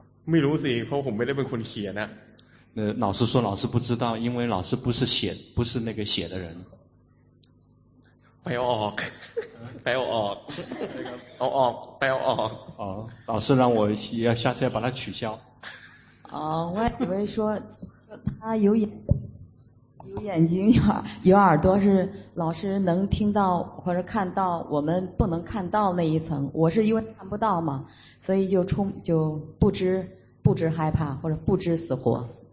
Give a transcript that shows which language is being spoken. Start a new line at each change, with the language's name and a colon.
Thai: ไม่รู้สิเพราะผมไม่ได้เป็นคนเขียนนะ
Chinese: 老师说老师不知道因为老师不是那个写的人
Thai: ไปออกไปออกเอาออกไปเอาออก
Chinese: 老师让我要下次要把它取消哦，我以为说他有眼睛有耳朵，是老师能听到或者看到我们不能看到那一层。我是因为看不到嘛，所以就不知害怕或者不知死活。